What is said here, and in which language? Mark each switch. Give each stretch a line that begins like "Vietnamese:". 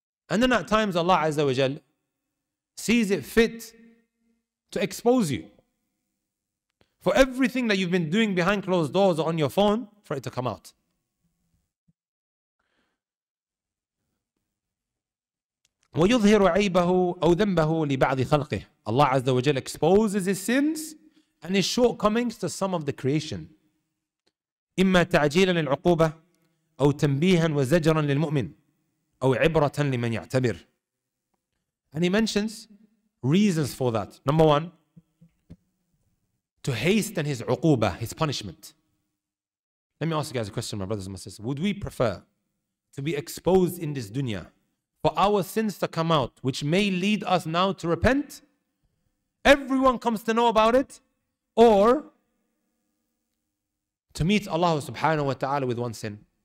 English: And then at times Allah Azza wa Jal sees it fit to expose you for everything that you've been doing behind closed doors or on your phone, for it to come out. وَيُظْهِرُ عَيْبَهُ أَوْ ذَنْبَهُ لِبَعْضِ خَلْقِهِ Allah Azza wa Jal exposes his sins and his shortcomings to some of the creation.
Arabic: إِمَّا تَعْجِيلًا لِلْعُقُوبَةِ أَوْ تَنْبِيهًا وَزَجْرًا لِلْمُؤْمِنِ أَوْ عِبْرَةً لِمَنْ يَعْتَبِرِ And he mentions reasons for that.
English: Number one, to hasten his uquba, his punishment. Let me ask you guys a question, my brothers and my sisters. Would we prefer to be exposed in this dunya for our sins to come out, which may lead us now to repent? Everyone comes to know about it. Or to meet Allah subhanahu wa ta'ala with one sin?